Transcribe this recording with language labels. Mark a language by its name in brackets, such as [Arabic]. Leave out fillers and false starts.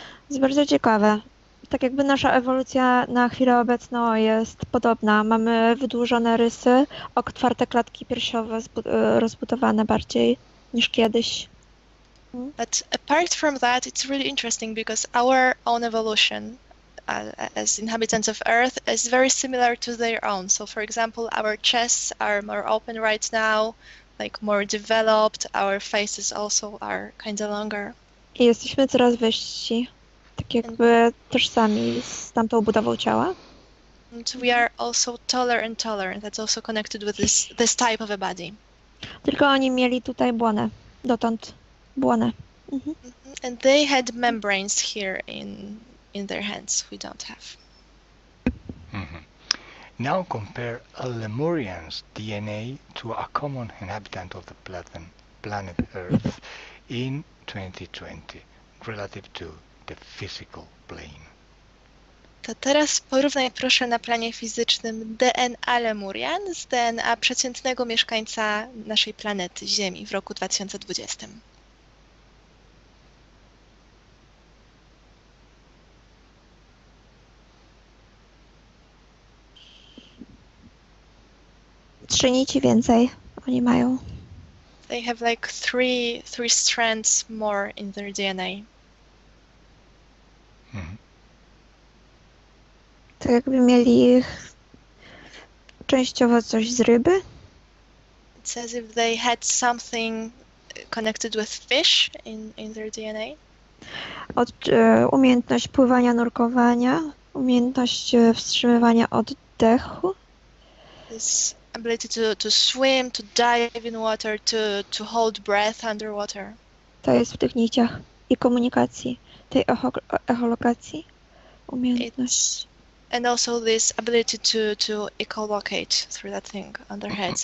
[Polish] Jest bardzo ciekawe. Tak jakby nasza ewolucja na chwilę obecną jest podobna. Mamy wydłużone rysy, otwarte klatki piersiowe, rozbudowane bardziej niż kiedyś. [English] But apart from that, it's really interesting because our own evolution as inhabitants of Earth is very similar to their own. So, for example, our chests are more open right now, like more developed, our faces also are kind of longer. [Polish] I jesteśmy coraz wyżsi, tak jakby tożsami z tamtą budową ciała. [English] And we are also taller and taller, and that's also connected with this type of a body. [Polish] Tylko oni mieli tutaj błonę, dotąd błonę. [English] And they had membranes here in their hands, we don't have. Now compare a Lemurian's DNA to a common inhabitant of the planet Earth in 2020 relative to the physical plane. [Polish] To teraz porównaj proszę na planie fizycznym DNA Lemurian z DNA przeciętnego mieszkańca naszej planety Ziemi w roku 2020. Trzy nici więcej oni mają. [English] They have like three strands more in their DNA. [Polish] Tak jakby mieli częściowo coś z ryby. [English] It says if they had something connected with fish in their DNA. [Polish] Umiejętność pływania, nurkowania, umiejętność wstrzymywania oddechu. [English] This ability to swim, to dive in water, to hold breath underwater. [Polish] To jest w tych niciach i komunikacji, tej echolokacji, umiejętność. [English] It's and also this ability to echolocate through that thing under heads.